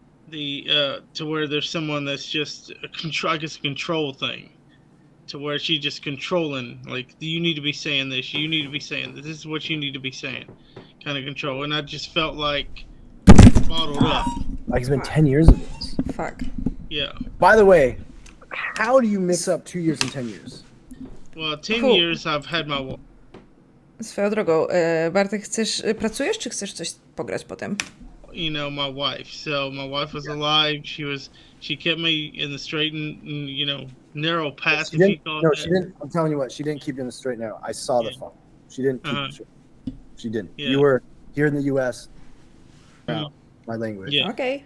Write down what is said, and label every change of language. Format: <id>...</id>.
<en>To where there's someone that's just a control, I guess a control thing, to where she's just controlling, like, you need to be saying this, you need to be saying this, this is what you need to be saying. Kind of control, and I just felt like bottled up. Like it's been 10 years of this. Fuck. Yeah. By the way, how do you mix up 2 years and 10 years? Well, 10 cool. years I've had my wife.</en> <pl>Swoją drogą, Bartek, chcesz, pracujesz, czy chcesz coś pograć potem?</pl> <en>You know, my wife. So my wife was alive. She was, she kept me in the straight and, you know, narrow path. She didn't, no, she didn't, I'm telling you what, she didn't keep you in the straight and narrow. I saw the phone. She didn't keep you straight. She didn't. Yeah. You were here in the U.S. Mm-hmm. My language. Yeah. Okay.</en>